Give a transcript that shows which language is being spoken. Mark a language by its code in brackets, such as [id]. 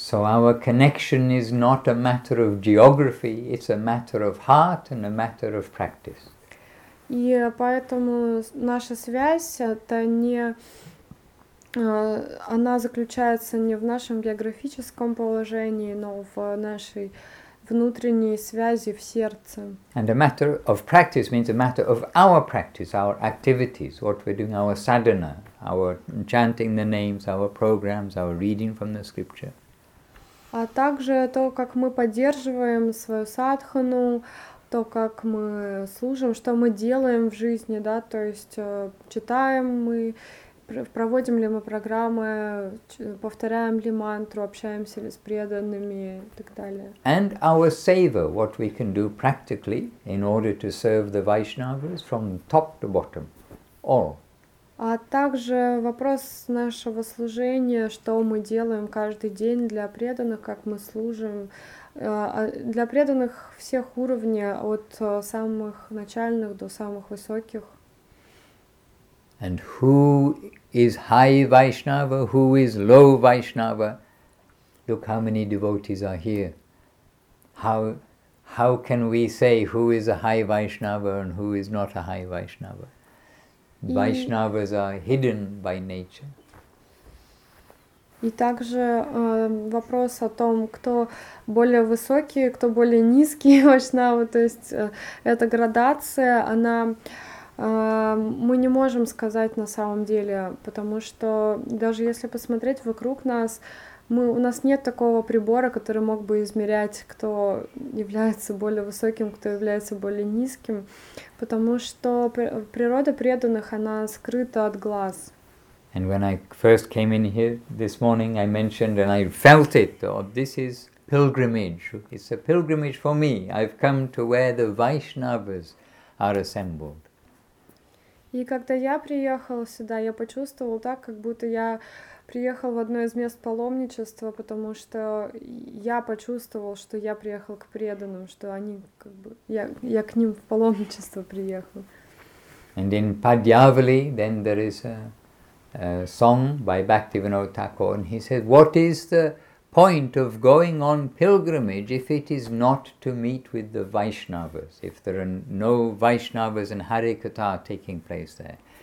[en] So our connection is not a matter of geography, it's a matter of heart and a matter of practice. [ru] И поэтому наша связь, это не, она заключается не в нашем географическом положении, но в нашей внутренней связи в сердце. [en] And a matter of practice means a matter of our practice, our activities, what we're doing, our sadhana, our chanting the names, our programs, our reading from the scripture. [ru] А также то, как мы поддерживаем свою садхану, то, как мы служим, что мы делаем в жизни, да, то есть читаем мы, проводим ли мы программы, повторяем ли мантру, общаемся ли с преданными и так далее. [en] And our seva, what we can do practically in order to serve the Vaishnavas from top to bottom, all. [ru] А также вопрос нашего служения, что мы делаем каждый день для преданных, как мы служим, для преданных всех уровней, от самых начальных до самых высоких. [en] And who is high Vaishnava, who is low Vaishnava? Look how many devotees are here. How how can we say who is a high Vaishnava and who is not a high Vaishnava? Vaishnavas are hidden by nature. [ru] И также вопрос о том, кто более высокий, кто более низкий вайшнава, то есть эта градация, она мы не можем сказать на самом деле, потому что даже если посмотреть вокруг нас, у нас нет такого прибора, который мог бы измерять, кто является более высоким, кто является более низким, потому что природа преданных, она скрыта от глаз. [en] And when I first came in here this morning, I mentioned and I felt it, oh, this is pilgrimage. It's a pilgrimage for me. I've come to where the Vaishnavas are assembled. [ru] И когда я приехал сюда, я почувствовал так, как будто я приехал в одно из мест паломничества, потому что я почувствовал, что я приехал к преданным, что они как бы я к ним в паломничество приехал. [en] And in Padyavali, then there is a song by Bhaktivinoda Thakur, and he says, what is the point of going on pilgrimage if it is not to meet with the Vaishnavas, if there are no Vaishnavas and Harikatha taking place there?